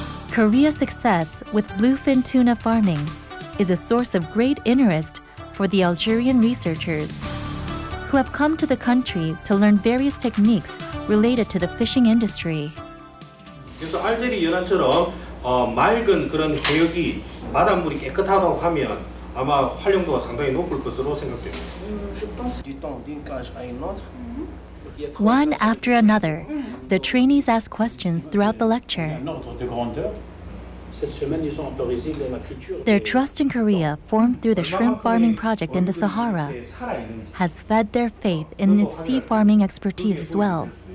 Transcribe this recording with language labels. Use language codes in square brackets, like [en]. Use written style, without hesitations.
[en] Korea's success with bluefin tuna farming is a source of great interest for the Algerian researchers who have come to the country to learn various techniques related to the fishing industry. [ko] 그래서 알제리 연안처럼 맑은 그런 해역이 바닷물이 깨끗하다고 하면 아마 활용도가 상당히 높을 것으로 생각됩니다. [en] One after another, the trainees ask questions throughout the lecture. Their trust in Korea, formed through the shrimp farming project in the Sahara, has fed their faith in its sea farming expertise as well.